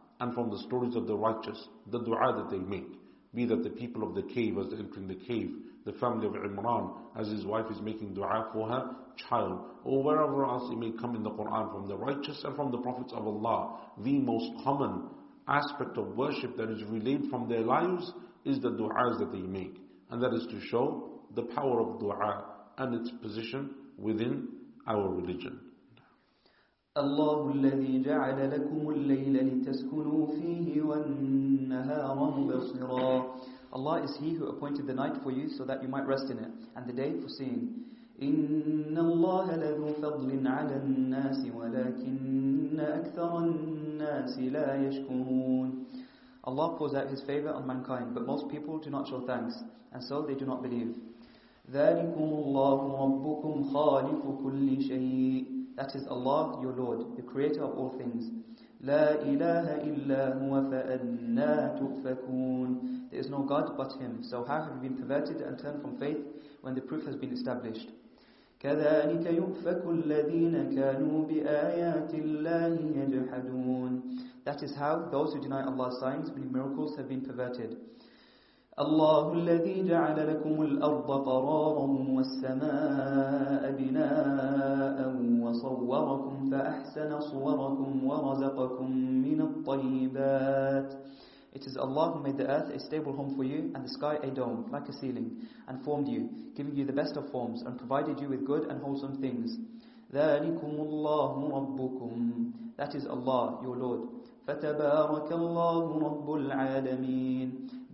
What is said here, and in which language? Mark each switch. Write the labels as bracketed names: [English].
[English] And from the stories of the righteous, the dua that they make, be that the people of the cave as they're entering the cave, the family of Imran as his wife is making dua for her child, or wherever else it may come in the Quran, from the righteous and from the prophets of Allah, the most common aspect of worship that is relayed from their lives is the du'as that they make. And that is to show the power of du'a and its position within our religion. [Arabic] Allah الذي جعل لكم الليل لتسكنوا فيه والنهار مبصرا. [English] Allah is He who appointed the night for you so that you might rest in it, and the day for seeing. [Arabic] إن الله لذو فضل على الناس ولكن أكثر الناس لا يشكرون. [English] Allah pours out His favor on mankind, but most people do not show thanks, and so they do not believe. [Arabic] ذلكم الله ربكم خالق كل شيء. [English] That is Allah, your Lord, the Creator of all things. [Arabic] لا إله إلا هو فأنا تؤفكون. [English] There is no God but Him, so how have you been perverted and turned from faith when the proof has been established? [Arabic] كذلك يؤفك الذين كانوا بآيات الله يجحدون. [English] That is how those who deny Allah's signs and miracles have been perverted. [Arabic] الله الذي جعل لكم الأرض قرارا والسماء بناء وصوركم فأحسن صوركم ورزقكم من الطيبات. [English] It is Allah who made the earth a stable home for you and the sky a dome, like a ceiling, and formed you, giving you the best of forms, and provided you with good and wholesome things. [Arabic] ذَلِكُمُ اللَّهُ رَبُّكُمْ. [English] That is Allah, your Lord. [Arabic] فَتَبَارَكَ اللَّهُ رَبُّ الْعَالَمِينَ.